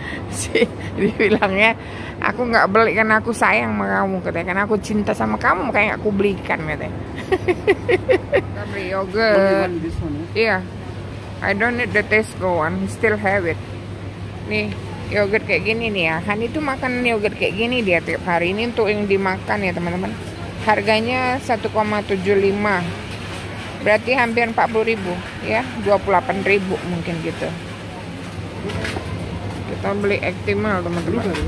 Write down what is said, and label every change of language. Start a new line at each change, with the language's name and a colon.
Indonesian: Si dibilangnya aku nggak beli karena aku sayang sama kamu, katanya. Karena aku cinta sama kamu, makanya nggak aku belikan, katanya. Kita beli yogurt. Iya. Yeah.
English: I don't need the Tesco one, still have it.
Indonesian: Nih, yogurt kayak gini nih ya. Hani tuh makan yogurt kayak gini dia tiap hari. Ini untuk yang dimakan ya teman-teman. Harganya 1,75. Berarti hampir 40.000 ya. 28.000 mungkin gitu. Kita beli Actimel teman-teman.